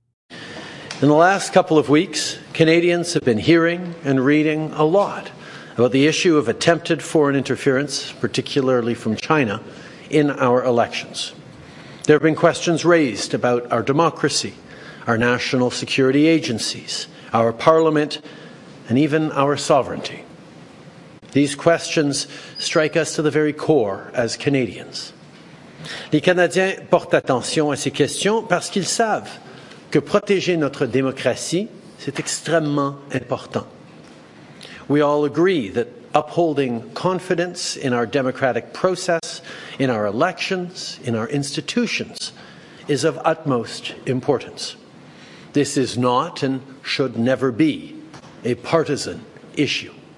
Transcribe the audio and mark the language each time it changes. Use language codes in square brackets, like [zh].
[en] In the last couple of weeks, Canadians have been hearing and reading a lot about the issue of attempted foreign interference, particularly from China, in our elections. There have been questions raised about our democracy, our national security agencies, our parliament, and even our sovereignty. These questions strike us to the very core as Canadians. [fr] Les Canadiens portent attention à ces questions parce qu'ils savent que protéger notre démocratie, c'est extrêmement important. [en] We all agree that upholding confidence in our democratic process, in our elections, in our institutions, is of utmost importance. This is not and should never be a partisan issue.